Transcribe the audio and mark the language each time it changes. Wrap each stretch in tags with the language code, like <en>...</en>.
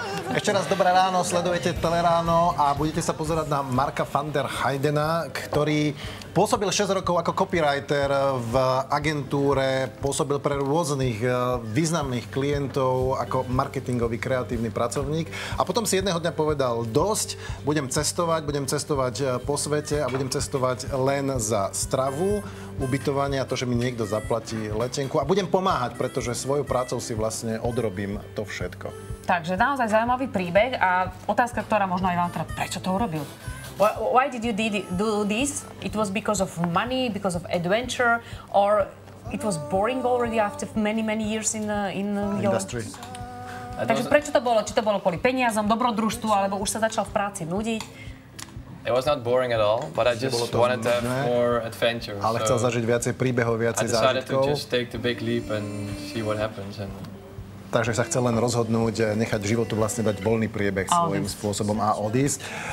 <sk>Ešte raz dobré ráno, sledujete Teleráno a budete sa pozerať na Marka van der Heijdena, ktorý pôsobil 6 rokov ako copywriter v agentúre, pôsobil pre rôznych významných klientov ako marketingový kreatívny pracovník a potom si jedného dňa povedal dosť, budem cestovať po svete a budem cestovať len za stravu, ubytovanie a to, že mi niekto zaplatí letenku a budem pomáhať, pretože svojou prácou si vlastne odrobím to všetko. Takže naozaj zaujímavý príbeh a otázka, ktorá možno aj vám teda, prečo to urobil?</sk> <en>Why did you do this? It was because of money, because of adventure, or it was boring already after many, many years in your industry.</en> <sk>Takže prečo to bolo? Či to bolo kvôli peniazom, dobrodružstvu, alebo už sa začal v práci nudiť?</sk> <en>It was not boring at all, but I just wanted to have more adventure.</en> <sk>Ale chcel zažiť viacej príbehov, viacej zážitkov.</sk> <en>I decided to just take the big leap and see what happens. And...</en> <sk>Takže sa chcel len rozhodnúť, nechať životu vlastne dať voľný priebeh svojím spôsobom a odísť.</sk>